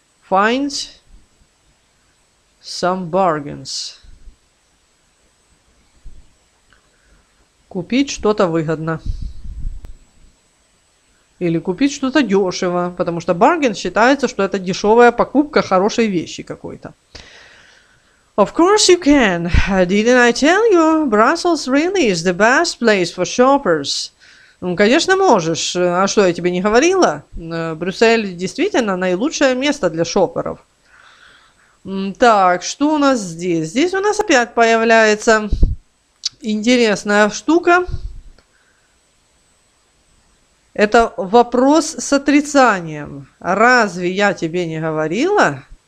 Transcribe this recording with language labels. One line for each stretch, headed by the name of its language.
English: Find some bargains.
Russian: купить что-то выгодно. Или купить что-то дешево, потому что bargain считается, что это дешевая покупка хорошей вещи какой-то.
English: Of course you can. Didn't I tell you? Brussels really is the best place for shoppers.
Russian: Ну, конечно, можешь. А что, я тебе не говорила? Брюссель действительно наилучшее место для шопперов. Так, что у нас здесь? Здесь у нас опять появляется интересная штука. Это вопрос с отрицанием. Разве я тебе не говорила?